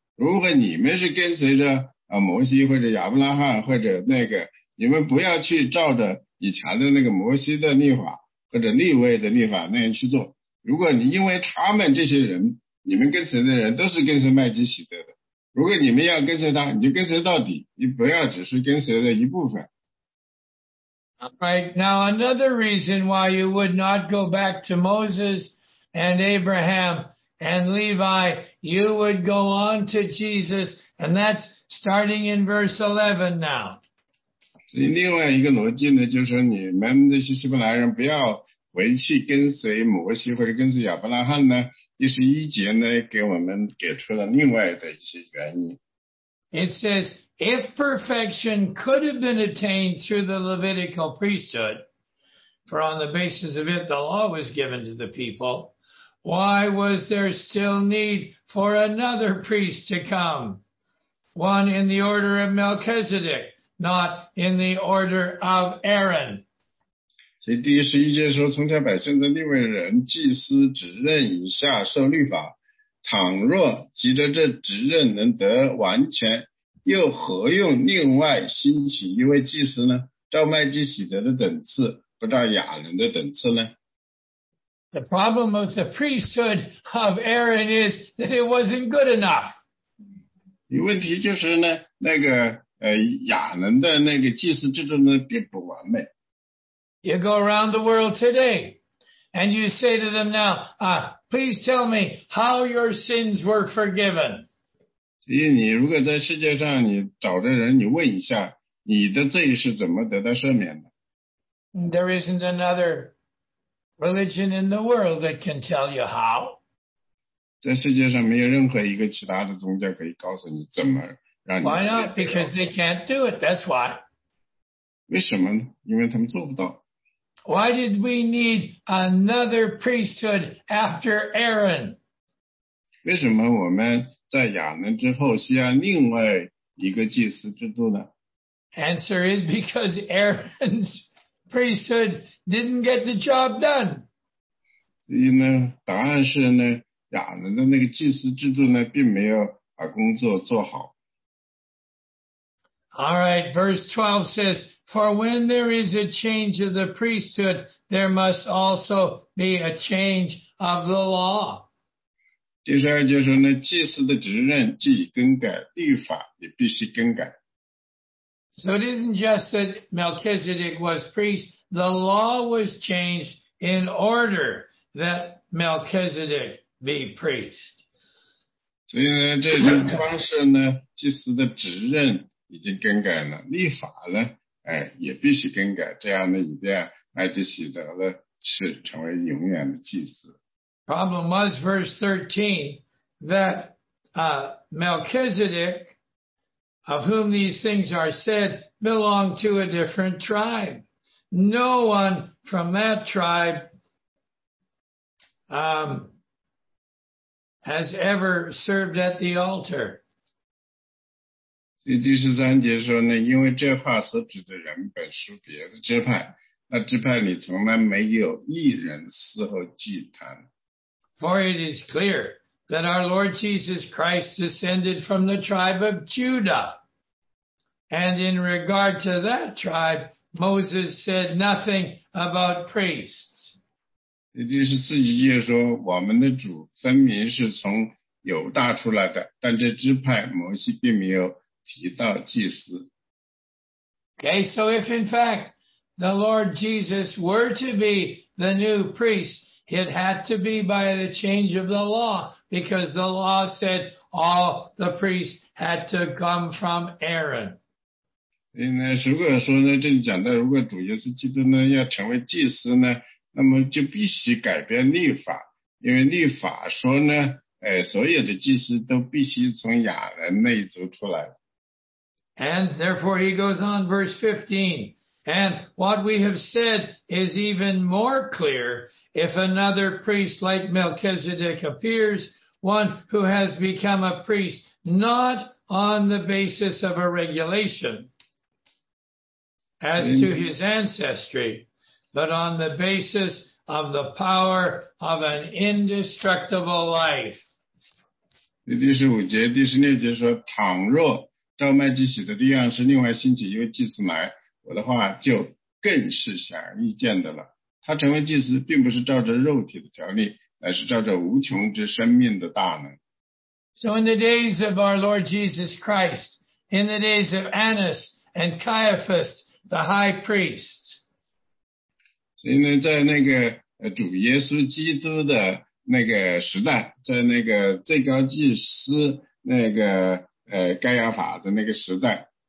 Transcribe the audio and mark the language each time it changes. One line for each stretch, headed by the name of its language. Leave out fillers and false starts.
Chinese: 如果你们是跟随着摩西或者亚伯拉罕或者那个，你们不要去照着以前的那个摩西的律法或者利未的律法那样去做。如果你因为他们这些人，你们跟随的人都是跟随麦基洗德的。如果你们要跟随他，你就跟随到底，你不要只是跟随的一部分。
English: Right, now another reason why you would not go back to Moses and Abraham and Levi, you would go on to Jesus, and that's starting in verse 11 now.
Chinese: 所以另外一个逻辑呢，就是你们那些希伯来人不要回去跟随摩西或者跟随亚伯拉罕呢。第十一节呢，给我们给出了另外的一些原因。
English: It says, if perfection could have been attained through the Levitical priesthood, for on the basis of it the law was given to the people, why was there still need for another priest to come? One in the order of Melchizedek, not in the order of Aaron.
Chinese: 所以第十一节说，从前百姓的利未人祭司只认以下受律法，倘若急着这职任能得完全，又何用另外兴起一位祭司呢？照麦基洗德的等次，不照亚伦的等次呢
English: ？The problem of the priesthood of Aaron is that it wasn't good enough.
Chinese: 问题就是呢，那个亚伦的那个祭司制度呢，并不完美。
English: You go around the world today, and you say to them now, please tell me how your sins were forgiven.
Chinese: 所以你如果在世界上你找着人，你问一下你的罪是怎么得到赦免的。
English: There isn't another religion in the world that can tell you how.
Chinese: 在世界上没有任何一个其他的宗教可以告诉你怎么让你。
English: Why not? Because they can't do it. That's why.
Chinese: 为什么呢？因为他们做不到。
English: Why did we need another priesthood after Aaron?
Chinese: 为什么我们在亚伦之后需要另外一个祭司制度呢？
English: Answer is because Aaron's priesthood didn't get the job done.
Chinese: 所以呢，答案是呢，亚伦的那个祭司制度呢，并没有把工作做好。
English: All right, verse 12 says, for when there is a change of the priesthood, there must also be a change of the law.
Chinese: 第十二节说呢，祭司的职任既更改，律法也必须更改。
English: So it isn't just that Melchizedek was priest. The law was changed in order that Melchizedek be priest.
Chinese: 所以呢，这种方式呢，祭司的职任已经更改了，律法呢，哎，也必须更改，这样呢，以便麦基洗德呢是成为永远的祭司。
English: Problem was verse 13 that Melchizedek, of whom these things are said, belonged to a different tribe. No one from that tribe has ever served at the altar.
Chinese: 所以第十三节说呢，因为这话所指的人本属别的支派，那支派里从来没有一人伺候祭坛。
English: For it is clear that our Lord Jesus Christ descended from the tribe of Judah. And in regard to that tribe, Moses said nothing about priests.
Chinese: 也就是自己也说，我们的主分明是从犹大出来的，但这支派摩西并没有提到祭司。
English: Okay, so if in fact the Lord Jesus were to be the new priest, it had to be by the change of the law, because the law said all the priests had to come from Aaron.
Chinese: 如果说呢，这里讲到如果主耶稣基督呢要成为祭司呢，那么就必须改变律法，因为律法说呢，所有的祭司都必须从亚伦那一族出来。
English: And therefore he goes on verse 15. And what we have said is even more clear if another priest like Melchizedek appears, one who has become a priest, not on the basis of a regulation as to his ancestry, but on the basis of the power of an indestructible life.
Chinese: 第十五节、第十六节说，倘若照麦基洗德的样式另外兴起一位祭司来，我的话就更是显而易见的了。他成为祭司，并不是照着肉体的条例，而是照着无穷之生命的大能。
English: So in the days of our Lord Jesus Christ, in the days of Annas and Caiaphas, the high priest.
Chinese: 所以呢，在那个主耶稣基督的那个时代，在那个最高祭司那个该亚法的那个时代。